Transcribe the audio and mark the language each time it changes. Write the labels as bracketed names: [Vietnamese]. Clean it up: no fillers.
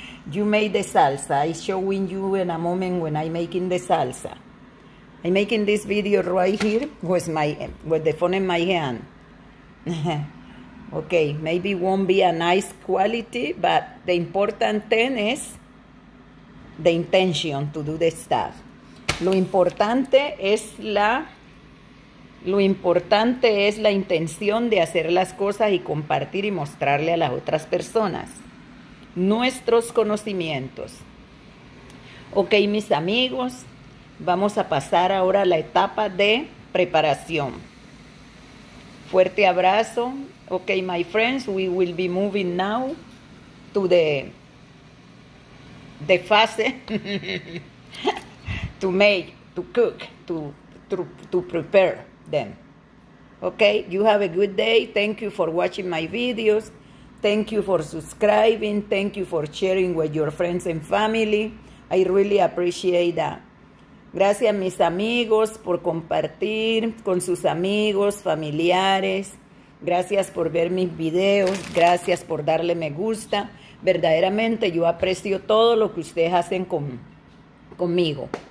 [English] You made the salsa. I showing you in a moment when I'm making the salsa. I'm making this video right here with the phone in my hand. Okay, maybe it won't be a nice quality, but the important thing is the intention to do the stuff. [Spanish] Lo importante es la intención de hacer las cosas y compartir y mostrarle a las otras personas nuestros conocimientos. Ok, mis amigos, vamos a pasar ahora a la etapa de preparación. Fuerte abrazo. [English] Ok, my friends, we will be moving now to the fase to make, to cook, to prepare them. Ok, you have a good day. Thank you for watching my videos. Thank you for subscribing. Thank you for sharing with your friends and family. I really appreciate that. [Spanish] Gracias, mis amigos, por compartir con sus amigos, familiares. Gracias por ver mis videos. Gracias por darle me gusta. Verdaderamente, yo aprecio todo lo que ustedes hacen conmigo.